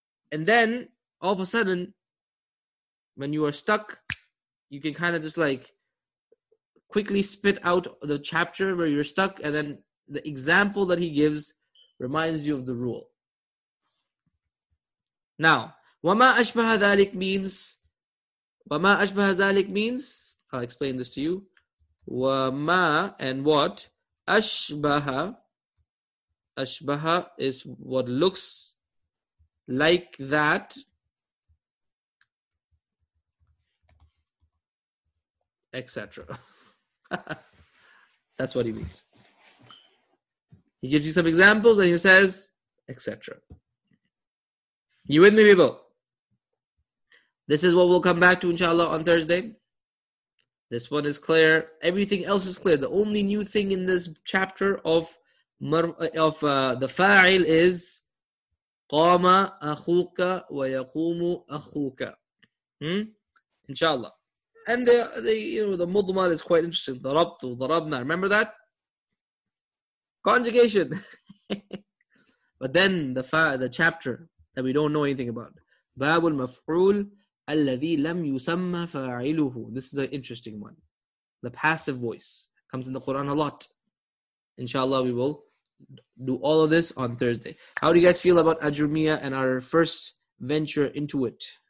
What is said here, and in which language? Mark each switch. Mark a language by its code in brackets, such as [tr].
[en] And then, all of a sudden, when you are stuck, you can kind of just like quickly spit out the chapter where you're stuck, and then the example that he gives reminds you of the rule. Now, [ar] وَمَا أَشْبَهَ ذَلِكْ [en] means... [ar] وَمَا أَشْبَهَ ذَلِكْ [en] means, I'll explain this to you. وَمَا and what? [ar] أَشْبَهَ. [en] أَشْبَهَ is what looks like that. Etc. That's what he means. He gives you some examples and he says, etc. You with me, people? This is what we'll come back to, inshallah, on Thursday. This one is clear. Everything else is clear. The only new thing in this chapter of the fa'il is [ar] قام أخوك ويقوم أخوك. إن شاء الله. [en] And the mudmal is quite interesting. [ar] ضربت وضربنا. [en] Remember that? Conjugation. But then the chapter that we don't know anything about. [ar] باب المفعول الذي لم يسمى فاعله. [en] This is an interesting one. The passive voice comes in the Quran a lot. Inshallah, we will do all of this on Thursday. How do you guys feel about Ajurmiya and our first venture into it?